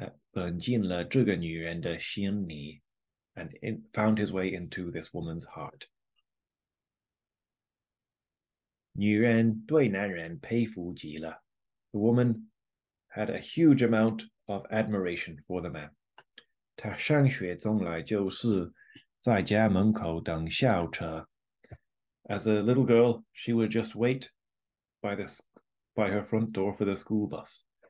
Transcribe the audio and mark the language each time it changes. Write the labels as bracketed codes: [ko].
[zh] 本进了这个女人的心里. [en] And it found his way into this woman's heart. [zh] 女人对男人佩服极了. [en] The woman had a huge amount of admiration for the man. [zh] 她上学从来就是在家门口等校车. [en] As a little girl, she would just wait by her front door for the school bus.